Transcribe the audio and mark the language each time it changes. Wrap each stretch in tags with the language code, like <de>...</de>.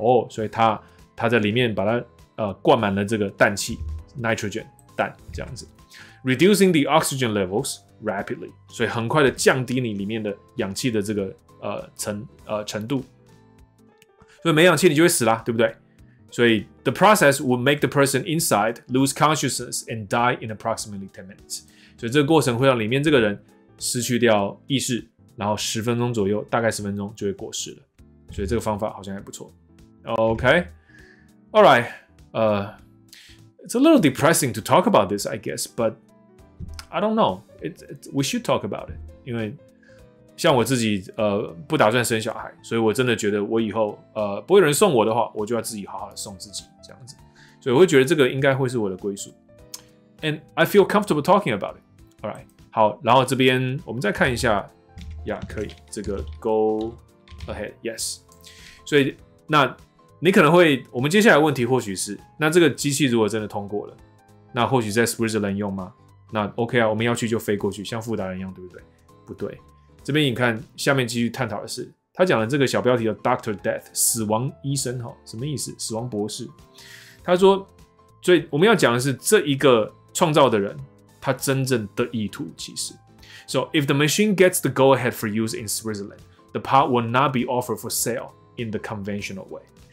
<zh>所以它在里面把它灌满了这个氮气 nitrogen 氮这样子 ，</zh> <en>reducing the oxygen levels。</en> <zh>rapidly， 所以很快的降低你里面的氧气的这个程度，所以没氧气你就会死啦，对不对？所以</zh> <en>the process would make the person inside lose consciousness and die in approximately 10 minutes。</en> <zh>所以这个过程会让里面这个人失去掉意识，然后十分钟左右，大概十分钟就会过世了。所以这个方法好像还不错。</zh> <en>OK，All right， it's a little depressing to talk about this， I guess， but I don't know。 We should talk about it，</en> <zh>因为像我自己不打算生小孩，所以我真的觉得我以后不会有人送我的话，我就要自己好好的送自己这样子，所以我会觉得这个应该会是我的归宿。</zh> <en>And I feel comfortable talking about it。 All right，</en> <zh>好，然后这边我们再看一下，呀，可以，这个</zh> <en>go ahead， yes。</en> <zh>所以那你可能会，我们接下来的问题或许是，那这个机器如果真的通过了，那或许在 Switzerland 用吗？那 OK 啊，我们要去就飞过去，像富达人一样，对不对？不对，这边你看下面继续探讨的是，他讲的这个小标题叫 Doctor Death， 死亡医生哈，什么意思？死亡博士。他说，所以我们要讲的是这一个创造的人，他真正的意图其实。</zh> <en>So if the machine gets the go ahead for use in Switzerland, the part will not be offered for sale in the conventional way。</en>